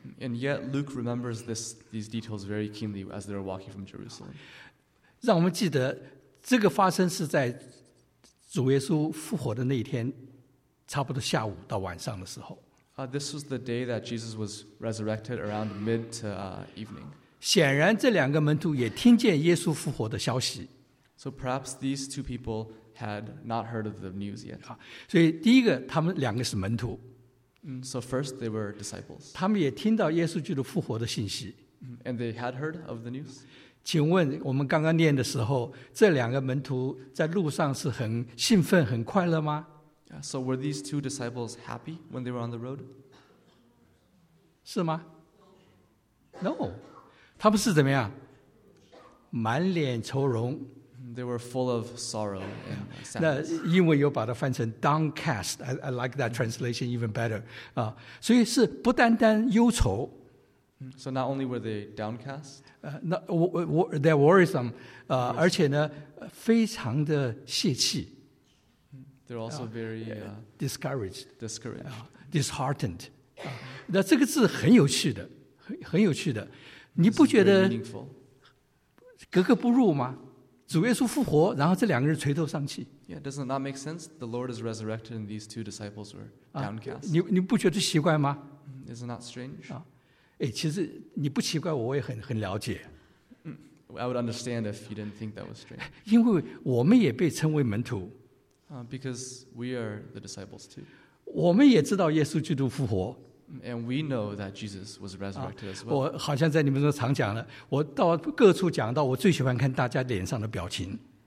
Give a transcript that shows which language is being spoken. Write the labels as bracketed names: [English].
[English] And yet Luke remembers these details very keenly as they're walking from Jerusalem. [Chinese] 让我们记得这个发生是在主耶稣复活的那一天，差不多下午到晚上的时候。 [English] This was the day that Jesus was resurrected around mid to evening. [Chinese] 显然这两个门徒也听见耶稣复活的消息。 [English] So perhaps these two people had not heard of the news yet. [Chinese] 所以第一个，他们两个是门徒。 [English] So first, they were disciples. [Chinese] 他们也听到耶稣基督复活的信息。 [English] And they had heard of the news. [Chinese] 请问我们刚刚念的时候，这两个门徒在路上是很兴奋、很快乐吗？ [English] So were these two disciples happy when they were on the road? [Chinese] 是吗？ [English] No. [Chinese] 他们是怎么样？满脸愁容。 [English] They were full of sorrow and sadness. [Chinese] 那英文有把它翻成 [English] downcast. I like that translation even better. [Chinese] 所以是不单单忧愁。 [English] So not only were they downcast. They're worrisome. [Chinese] 而且呢，非常的泄气。 [English] They're also very discouraged. Discouraged. Disheartened. [Chinese] 那这个字很有趣的，很有趣的。你不觉得格格不入吗？主耶稣复活，然后这两个人垂头丧气。 [English] Yeah, does it not make sense? The Lord is resurrected, and these two disciples were downcast. [Chinese] 你不觉得奇怪吗？ [English] Is it not strange? [Chinese] 其实你不奇怪，我也很了解。 [English] I would understand if you didn't think that was strange. [Chinese] 因为我们也被称为门徒。 [English] Because we are the disciples too. [Chinese] 我们也知道耶稣基督复活。 [English] And we know that Jesus was resurrected as well. [Chinese] 我好像在你们中常讲了，我到各处讲到，我最喜欢看大家脸上的表情。